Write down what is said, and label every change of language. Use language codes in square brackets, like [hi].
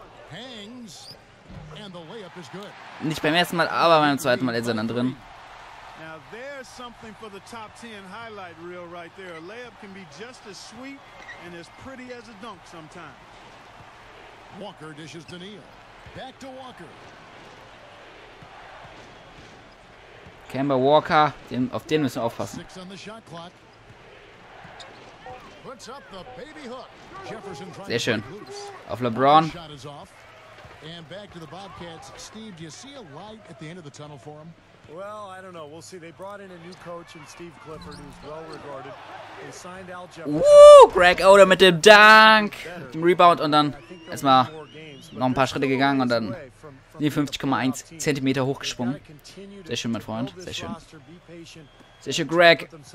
[en] Hangs, and the layup is good. [de] Nicht beim ersten Mal, aber beim zweiten Mal ist er dann drin. [en] Now there's something for the top 10 highlight reel right there. A layup can be just as sweet and as pretty as a dunk sometimes. Walker dishes to Neal. Back to Walker. [de] Kemba Walker, den, auf den müssen wir aufpassen. [en] Six on the shot clock. Puts up the baby hook. Jefferson. [de] Sehr schön. Auf LeBron. [en] And back to the Bobcats. Steve, do you see a light at the end of the tunnel for him? Well, I don't know. We'll see. They brought in a new coach in Steve Clifford, who's well regarded. They signed Al Jefferson. Woo! [de] Greg Oden mit dem Dunk, mit dem Rebound und dann erstmal noch ein paar Schritte gegangen und dann 50,1 cm hochgesprungen. Sehr schön, mein Freund. Sehr schön. Sehr schön, Greg.